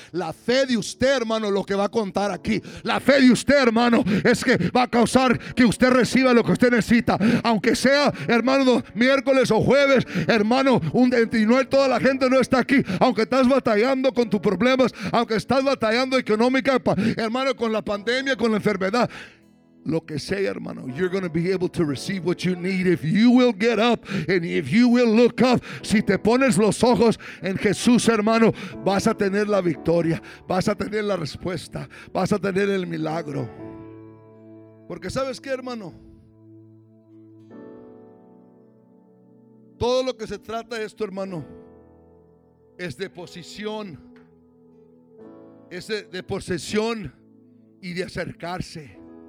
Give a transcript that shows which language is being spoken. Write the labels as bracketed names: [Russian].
[Spanish] La fe de usted, hermano, lo que va a contar aquí. La fe de usted, hermano, es que va a causar que usted reciba lo que usted necesita. Aunque sea, hermano, miércoles o jueves, hermano, toda la gente no está aquí. Aunque estás batallando con tus problemas, aunque estás batallando económica, hermano, con la pandemia, con la enfermedad. Lo que sea, hermano, [English] you're going to be able to receive what you need if you will get up and if you will look up. [Spanish] Si te pones los ojos en Jesús, hermano, vas a tener la victoria, vas a tener la respuesta, vas a tener el milagro. Porque sabes qué, hermano, todo lo que se trata de esto, hermano, es de posición, es de posesión y de acercarse.